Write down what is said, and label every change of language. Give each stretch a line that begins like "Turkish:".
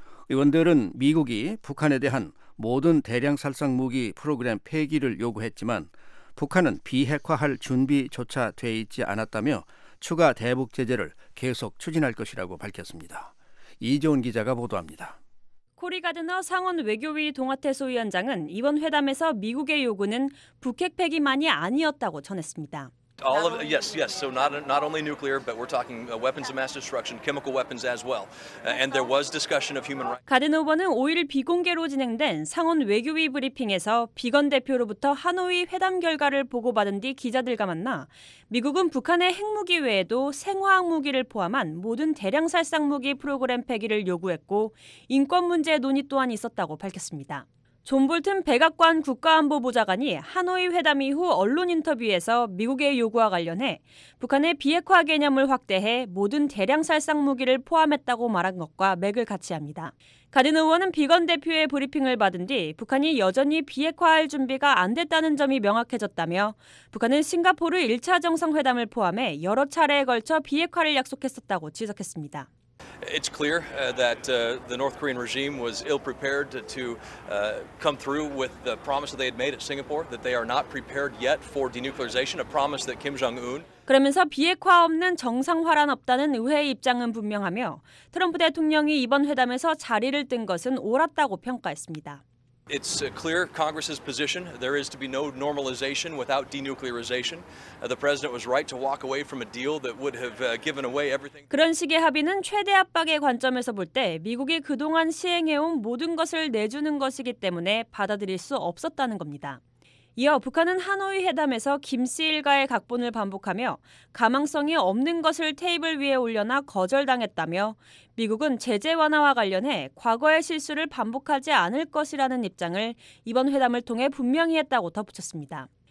Korean: 의원들은 미국이 북한에 대한 모든 대량살상 무기 프로그램 폐기를 요구했지만 북한은 비핵화할 준비조차 돼 있지 않았다며 추가 대북 제재를 계속 추진할 것이라고 밝혔습니다. 이재훈 기자가 보도합니다. 코리 가드너 상원 외교위 동아태소 위원장은 이번 회담에서 미국의 요구는 북핵 폐기만이 아니었다고 전했습니다.
English: All of yes, yes. So not only nuclear, but we're talking weapons of mass destruction, chemical weapons as well. And there was discussion of human rights.
Korean: 가든 후보는 5일 비공개로 진행된 상원 외교위 브리핑에서 비건 대표로부터 하노이 회담 결과를 보고받은 뒤 기자들과 만나 미국은 북한의 핵무기 외에도 생화학 무기를 포함한 모든 대량 살상 무기 프로그램 폐기를 요구했고 인권 문제 논의 또한 있었다고 밝혔습니다. 존 볼튼 백악관 국가안보보좌관이 하노이 회담 이후 언론 인터뷰에서 미국의 요구와 관련해 북한의 비핵화 개념을 확대해 모든 대량 살상 무기를 포함했다고 말한 것과 맥을 같이 합니다. 가든 의원은 비건 대표의 브리핑을 받은 뒤 북한이 여전히 비핵화할 준비가 안 됐다는 점이 명확해졌다며 북한은 싱가포르 1차 정상회담을 포함해 여러 차례에 걸쳐 비핵화를 약속했었다고 지적했습니다.
English: It's clear that the North Korean regime was ill-prepared to come through with the promise that they had made at Singapore, that they are not prepared yet for denuclearization, a promise that Kim Jong-un
Korean: 그러면서 비핵화 없는 정상화란 없다는 의회의 입장은 분명하며 트럼프 대통령이 이번 회담에서 자리를 뜬 것은 옳았다고 평가했습니다.
English: It's clear Congress's position. There is to be no normalization without denuclearization. The president was right to walk away from a deal that would have given away everything.
Korean: 그런 식의 합의는 최대 압박의 관점에서 볼 때 미국이 그동안 시행해온 모든 것을 내주는 것이기 때문에 받아들일 수 없었다는 겁니다. 이어 북한은 하노이 회담에서 김 씨 일가의 각본을 반복하며 가망성이 없는 것을 테이블 위에 올려놔 거절당했다며 미국은 제재 완화와 관련해 과거의 실수를 반복하지 않을 것이라는 입장을 이번 회담을 통해 분명히 했다고 덧붙였습니다.